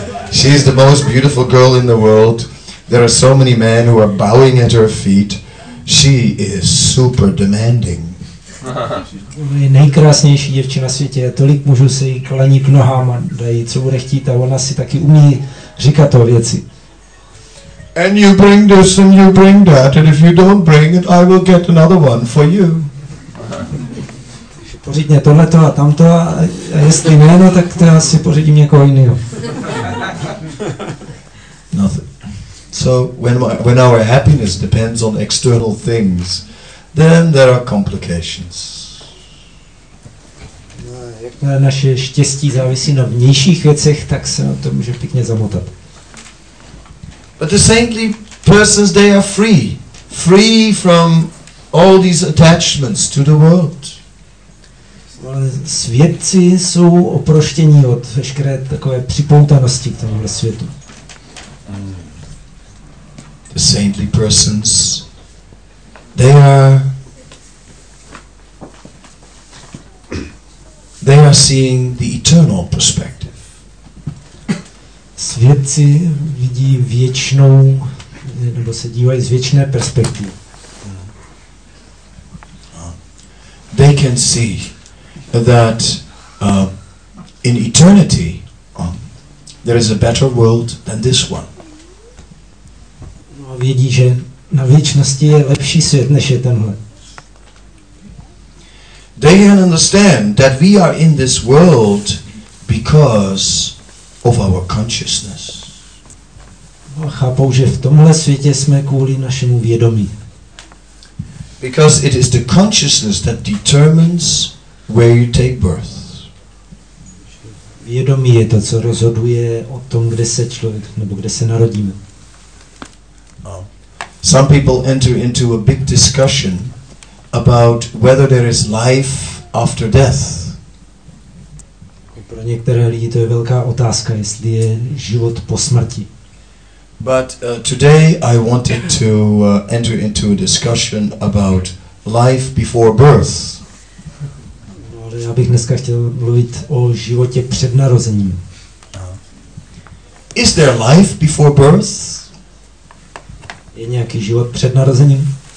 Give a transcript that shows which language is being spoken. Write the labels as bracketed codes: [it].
[en] She's the most beautiful girl in the world. There are so many men who are bowing at her feet. She is super demanding. [cs] Je nejkrásnější děvče na světě. Tolik mužů se jí klaní k nohám a dají, co bude chtít. A ona si taky umí říkat o věci. [en] And you bring this and you bring that. And if you don't bring it, I will get another one for you. [cs] Pořídně tohleto a tamto. A jestli jméno, tak to asi pořídím někoho jiného. [en] Nothing. So when our happiness depends on external things, then there are complications. [cs] jakmile naše štěstí závisí na vnějších věcech, tak se na to může pěkně zamotat. [en] But the saintly persons, they are free. Free from all these attachments to the world. [cs] Ale světci jsou oproštění od veškeré takové připoutanosti k tomuhle světu. [en] The saintly persons, they are seeing the eternal perspective. [cs] Světci vidí věčnou, nebo se dívají z věčné perspektivy. [en] They can see that in eternity there is a better world than this one. [cs] No a vědí, že na věčnosti je lepší svět než je tenhle. [en] They can understand that we are in this world because of our consciousness. [cs] No a chápou, že v tomhle světě jsme kvůli našemu vědomí. [en] Because it is the consciousness that determines where you take birth. [cs] Vědomí je to, co rozhoduje o tom, kde se člověk nebo kde se narodíme. [en] Some people enter into a big discussion about whether there is life after death. [cs] Pro některé lidi to je velká otázka, jestli je život po smrti. [en] But today I wanted to enter into a discussion about life before birth. [cs] No, ale já bych dneska chtěl mluvit o životě před narozením. [en] Is there life before birth? [cs] Je nějaký život před narozením?